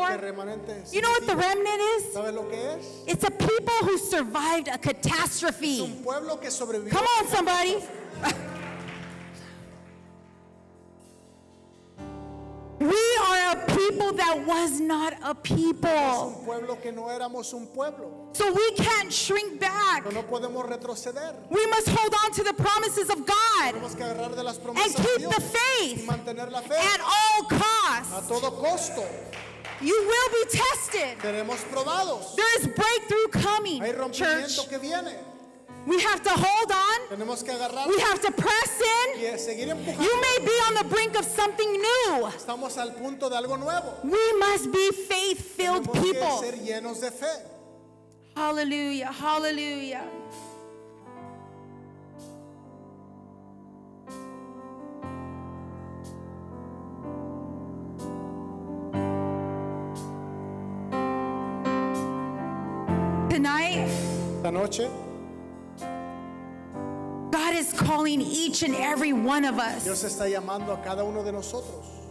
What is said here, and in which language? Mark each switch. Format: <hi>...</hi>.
<es>¿Sabes lo que remanente significa?</es> <en>You know what the remnant is?</en> <es>¿Sabes lo que es?</es> <en>It's a people who survived a catastrophe.</en> <es>Es un pueblo que sobrevivió.</es> <en>Come on, somebody. We are a people that was not a people.</en> <es>Es un pueblo que no éramos un pueblo.</es> <en>So we can't shrink back.</en> <es>No podemos retroceder.</es> <en>We must hold on to the promises of God.</en> <es>Tenemos que agarrar de las promesas</es> <en>and keep</en> <es>de Dios</es> <en>the faith</en> <es>y mantener la fe</es> <en>at all costs.</en> <es>A todo costo.</es> <en>You will be tested.</en> <es>Seremos probados.</es> <en>There is breakthrough coming.</en> <es>Hay rompimiento,</es> <en>church,</en> <es>que viene.</es> <en>We have to hold on.</en> <es>Tenemos que agarrar.</es> <en>We have to press in.</en> <es>Y seguir empujando.</es> <en>You may be on the brink of something new.</en> <es>Estamos al punto de algo nuevo.</es> <en>We must be faith-filled people.</en> <es>Tenemos que ser llenos de fe.</es> <en>Hallelujah, hallelujah. Tonight.</en> <es>Anoche.</es> <en>God is calling each and every one of us.</en> <es>Dios está llamando a cada uno de nosotros.</es>